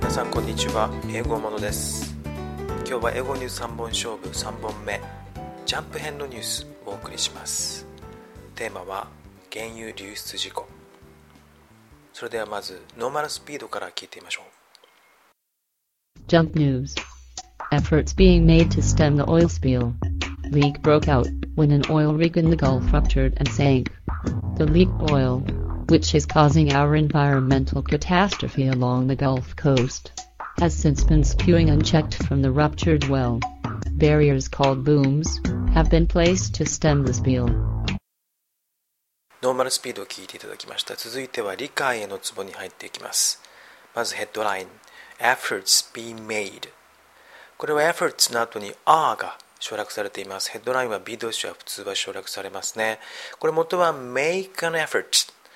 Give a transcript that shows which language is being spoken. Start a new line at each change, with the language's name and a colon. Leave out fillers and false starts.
Japanese: こんにちは、英語モノです。今日は英語ニュース3本勝負3本目ジャンプ編のニュースをお送りします。テーマは原油流出事故。それではまずノーマルスピードから聞いてみましょう。ジャンプニュース。
English: Efforts being made to stem the oil spill. Leak broke out when an oil rig in the Gulf ruptured and sank. The leaked oilwhich is causing our environmental catastrophe along the Gulf Coast, has since been spewing unchecked from the ruptured well. Barriers called booms have been placed to stem the spill.
Japanese: ノーマルスピードを聞いていただきました。続いては理解へのツボに入っていきます。まずヘッドライン、
English: Efforts being made。
Japanese: これは Efforts の後に R が省略されています。ヘッドラインは B 動詞は普通は省略されますね。これ元は
English: Make an effort。